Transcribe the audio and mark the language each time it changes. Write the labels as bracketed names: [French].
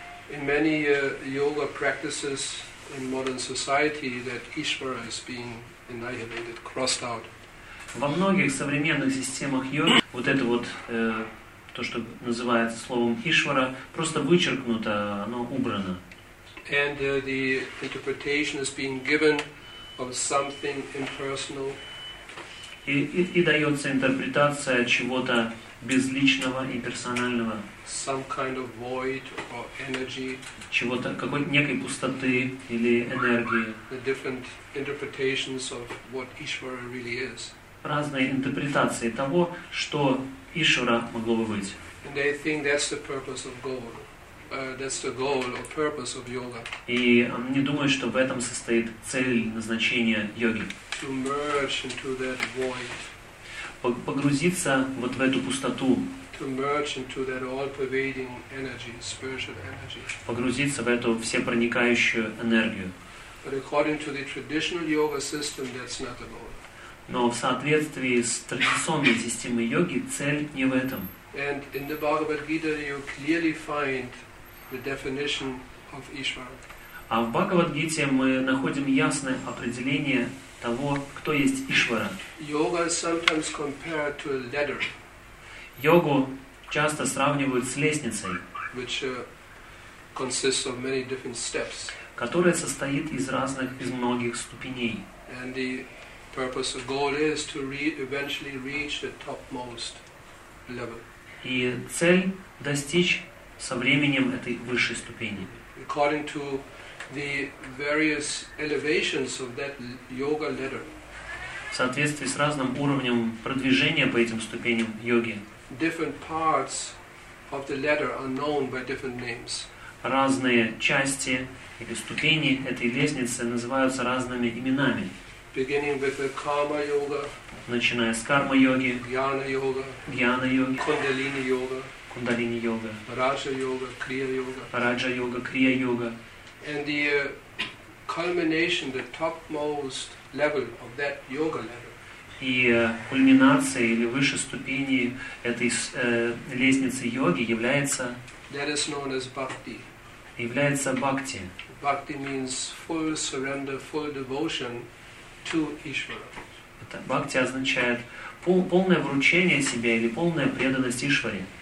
[English] In many yoga practices in modern society, that Ishvara is being annihilated, crossed out. [Russian] Во многих современных системах йоги вот это вот то, что называется словом Ишвара, просто вычеркнуто, оно убрано. [English] And the interpretation is being given of something impersonal. [Russian] И дается интерпретация чего-то безличного и персонального. [English] Some kind of void or energy. [Russian] Чего-то, какой-то некой пустоты или энергии. [English] The different interpretations of what Ishvara really is. [Russian] Разные интерпретации того, что Ишвара могло бы быть. [English] And they think that's the purpose of goal. That's the goal or purpose of yoga. [Russian] И они думают, что в этом состоит цель, назначение йоги. [English] To merge into that void. [Russian] Погрузиться вот в эту пустоту. [English] To merge into that all-pervading energy, spiritual energy. [Russian] Погрузиться в эту всепроникающую энергию. [English] But according to the traditional yoga system, that's not the goal. [Russian] Но в соответствии с традиционной системой йоги цель не в этом. [English] And in the Bhagavad Gita, you clearly find the definition of Ishvara. [Russian] А в Бхагавад-гите мы находим ясное определение того, кто есть Ишвара. [English] Yoga is sometimes compared to a ladder. [Russian] Йогу часто сравнивают с лестницей, [English] which consists of many different steps. [Russian] Которая состоит из разных, из многих ступеней. [English] And the purpose of goal is to eventually reach the topmost level. [Russian] И цель достичь со временем этой высшей ступени. [English] According to the various elevations of that yoga ladder. [Russian] В соответствии с разным уровнем продвижения по этим ступеням йоги. [English] Different parts of the ladder are known by different names. [Russian] Разные части или ступени этой лестницы называются разными именами. [English] Beginning with the karma yoga. [Russian] Начиная с карма йоги. [English] Jnana yoga. Jnana yoga. Kundalini yoga. Kundalini yoga. Raja yoga. Kriya yoga. Raja yoga. Kriya yoga. And the culmination, the topmost level of that yoga ladder. [Russian] И кульминацией или высшей ступенью этой лестницы йоги является. [English] That is known as bhakti. [Russian] Является бхакти. [English] Bhakti means full surrender, full devotion to Ishvara. [Russian] Это бхакти означает полное вручение себя или полная преданность Ишваре.